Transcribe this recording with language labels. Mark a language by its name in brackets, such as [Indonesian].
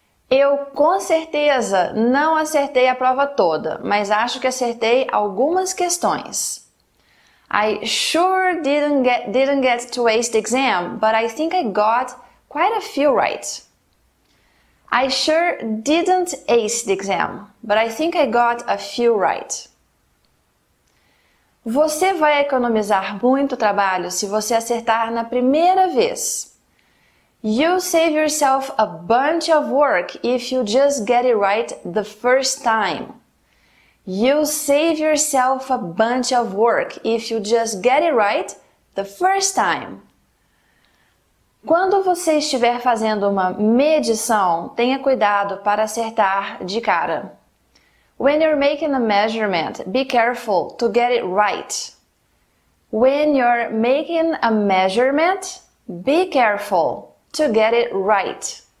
[Portuguese] Eu com certeza não acertei a prova toda, mas acho que acertei algumas questões. [English] I sure didn't get to ace the exam, but I think I got quite a few right. I sure didn't ace the exam, but I think I got a few right. [Portuguese] Você vai economizar muito trabalho se você acertar na primeira vez. [English] You'll save yourself a bunch of work if you just get it right the first time. You'll save yourself a bunch of work if you just get it right the first time. [Portuguese] Quando você estiver fazendo uma medição, tenha cuidado para acertar de cara. [English] When you're making a measurement, be careful to get it right. When you're making a measurement, be careful to get it right.